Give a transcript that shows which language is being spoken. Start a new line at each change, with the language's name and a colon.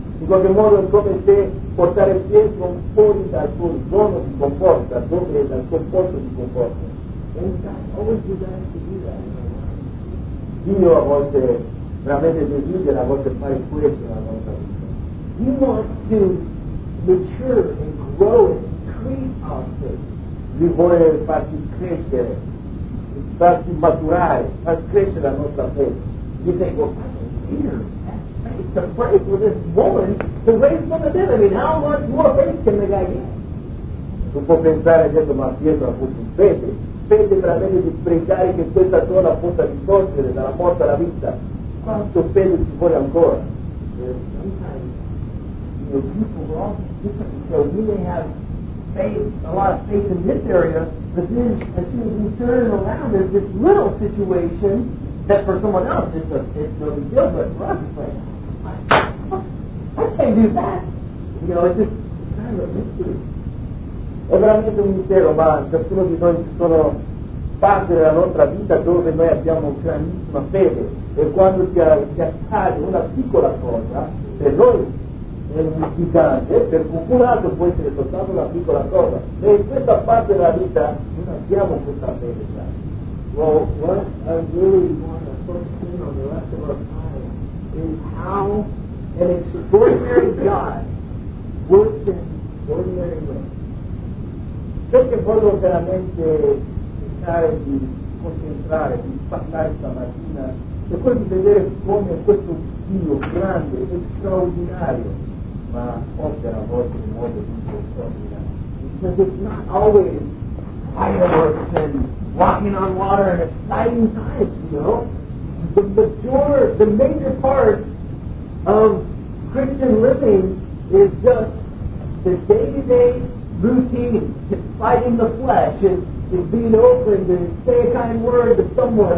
Italian: In qualche modo è come se portare Pietro fuori dal suo zona di conforto, dove dal suo posto di conforto. Dio a volte, veramente desidera a volte fare questo nella nostra vita.
English: He wants to mature and grow and create our faith.
Italian: Lui vuole farci crescere, farci maturare, far crescere la nostra fede.
English: You think, well, Pastor Peter has faith to pray for this woman to raise from the dead. I mean, how much more faith can the guy get?
Italian: Tu può pensare adesso, ma Pietro ha avuto fede. Fede veramente di pregare che questa donna possa risorgere dalla morte alla vita. Quanto fede ci vuole ancora?
English: Sometimes, you know, people are all different. So we may have faith, a lot of faith in this area, but then as soon as we turn around, there's this little situation that for someone else it's a big deal, but for us it's like, I can't do that. You know, it's just kind of a mystery.
Italian: È veramente un mistero, ma ciascuno di noi ci sono parte della nostra vita dove noi abbiamo grandissima fede, e quando ci accade una piccola cosa, per noi è un gigante, per qualcun altro può essere soltanto una piccola cosa, e in questa parte della vita non abbiamo questa fede.
English: Well, what I really want to focus in on the rest of our time is how an extraordinary God works in ordinary ways.
Italian: Ciò che voglio veramente cercare di concentrare, di parlare stamattina, è quello di vedere come questo Dio grande, straordinario, ma opera a volte in modo molto straordinario.
English: Because it's not always fireworks and walking on water and exciting times, you know? The major part of Christian living is just the day-to-day routine, fighting the flesh, is being open to say a kind word to someone.